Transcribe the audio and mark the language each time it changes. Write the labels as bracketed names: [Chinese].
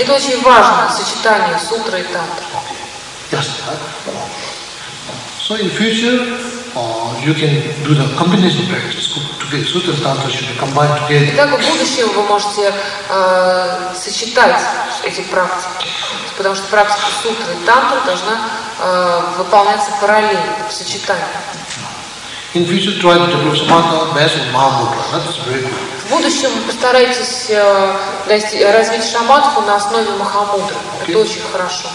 [Russian] Это очень важно, сочетание сутры и тантры. [English] Okay. Yes. So in future. You can do the combination practice together. Sutra and Tantra should be combined together. [Russian] И так в будущем вы можете сочетать эти практики, потому что практика сутры и тантры должна выполняться параллельно, в сочетании. [English] In future, try to develop samatha, vyasa, mahamudra. That's very good. [Russian] В будущем постарайтесь развить шаматху на основе махамудры. Okay. Это очень хорошо.